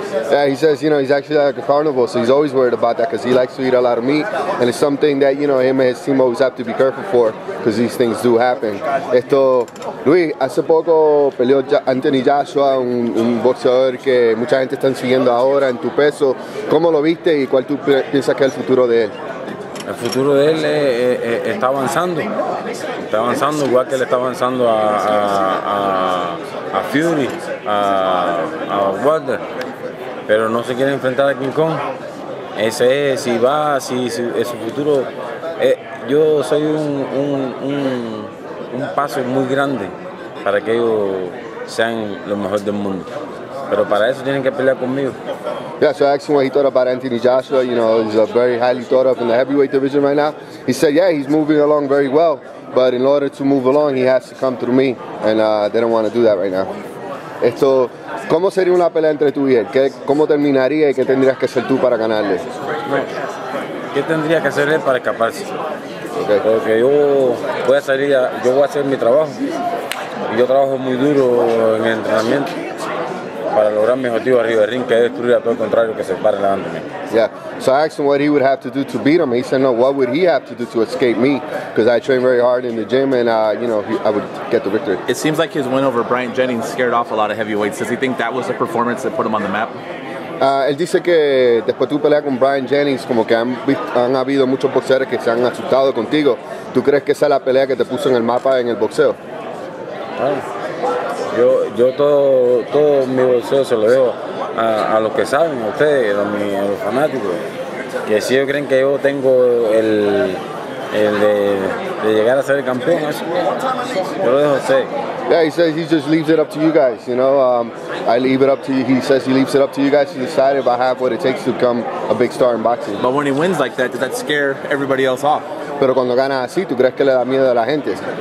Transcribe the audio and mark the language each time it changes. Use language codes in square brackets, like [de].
[en] Yeah, he says, you know, he's actually like a carnival, so he's always worried about that because he likes to eat a lot of meat, and it's something that, you know, him and his team always have to be careful for because these things do happen. [es] Esto, Luis, hace poco peleó Anthony Joshua, un boxeador que mucha gente está siguiendo ahora en tu peso. ¿Cómo lo viste y cuál tú piensas que es el futuro de él? El futuro de él está avanzando. Está avanzando igual que le está avanzando a Fury, a Wilder. Pero no se quiere enfrentar a King Kong. Ese es, si va, si es su futuro. Yo soy un paso muy grande para que ellos sean lo mejor del mundo. Pero para eso tienen que pelear conmigo. [en] Yeah, so I asked him what he thought about Anthony Joshua. You know, he's a very highly thought of in the heavyweight division right now. He said, yeah, he's moving along very well. But in order to move along, he has to come through me. And they don't want to do that right now. [es] Esto, ¿cómo sería una pelea entre tú y él? ¿Cómo terminaría y qué tendrías que hacer tú para ganarle? No. ¿Qué tendría que hacer él para escaparse? Okay. Porque yo voy a hacer mi trabajo. Y yo trabajo muy duro en el entrenamiento para lograr mi objetivo arriba del ring, que es destruir a todo el contrario que se pare delante de mí. [en] Yeah. So I asked him what he would have to do to beat him. He said, no, what would he have to do to escape me? Because I train very hard in the gym and, you know, I would get the victory. It seems like his win over Bryant Jennings scared off a lot of heavyweights. Does he think that was the performance that put him on the map? [es] Él dice que después de tu pelea con Bryant Jennings, como que han habido muchos boxeadores que se han asustado contigo. ¿Tú crees que esa es la pelea que te puso en el mapa en el boxeo? Yo todo mi boxeo se lo dejo a los que saben, a ustedes, a los fanáticos. Que si ellos creen que yo tengo el de llegar a ser el campeón, eso, yo lo dejo a ustedes. [en] Yeah, he says he just leaves it up to you guys, you know. I leave it up to you. He says he leaves it up to you guys to decide if I have what it takes to become a big star in boxing. But when he wins like that, does that scare everybody else off? [es] Pero cuando gana así, ¿tú crees que le da miedo a la gente?